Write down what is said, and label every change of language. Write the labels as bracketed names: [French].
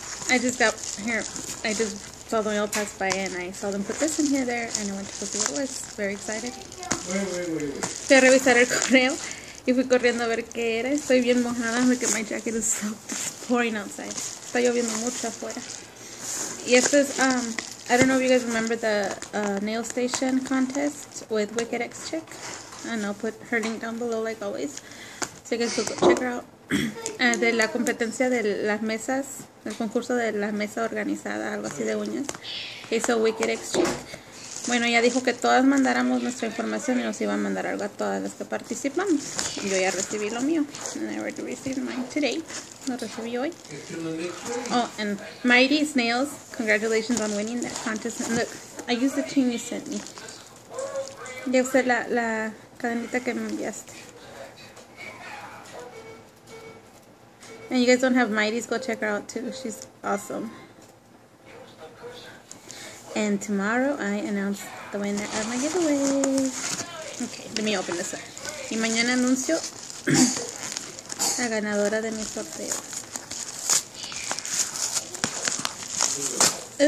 [English] I just got here, I just saw the mail pass by and I saw them put this in here there and I went to go see what it was. Very excited. Wait. [Spanish] Fui a revisar el correo y fui corriendo a ver qué era. Estoy bien mojada porque [English] my jacket is soaked. It's pouring outside. [Spanish] Está lloviendo mucho afuera. Y esto es, [English] I don't know if you guys remember the nail station contest with Wickedxchick. And I'll put her link down below like always. So you guys can go check her out. [Spanish] De la competencia de las mesas, el concurso de la mesa organizada, algo así de uñas, que hizo Wickedxchick. Bueno, ella dijo que todas mandáramos nuestra información y nos iba a mandar algo a todas las que participamos. Yo ya recibí lo mío. [English] And I already received mine today. [Spanish] Lo recibí hoy. [English] Oh, and Mighty Snails, congratulations on winning that contest. And look, I used the chain you sent me. [Spanish] Ya usé la cadenita que me enviaste. [English] And you guys don't have Mighty's, go check her out too. She's awesome. And tomorrow I announce the winner of my giveaway. Okay, let me open this up. [Spanish] Y mañana anuncio la ganadora de mi sorteo.